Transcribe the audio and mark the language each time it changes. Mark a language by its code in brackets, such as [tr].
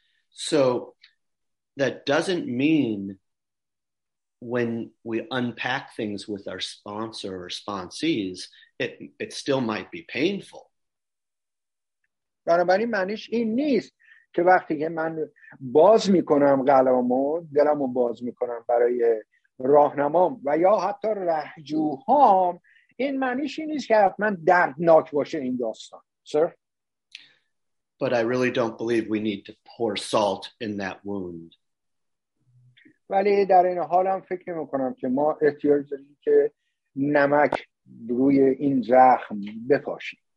[en] So that doesn't mean when we unpack things with our sponsor or sponsees, it still might be painful. [fa] بنابراین معنیش این نیست که وقتی که من باز میکنم قلبمو، دلمو باز میکنم برای راهنمام و یا حتی رهجوهام، این معنیش این نیست که حتما دردناک باشه این داستان. [en] Sir? But I really don't believe we need to pour salt in that wound. [fa] ولی در این حال هم فکر میکنم که ما احتیاج داریم که نمک روی این زخم بپاشیم.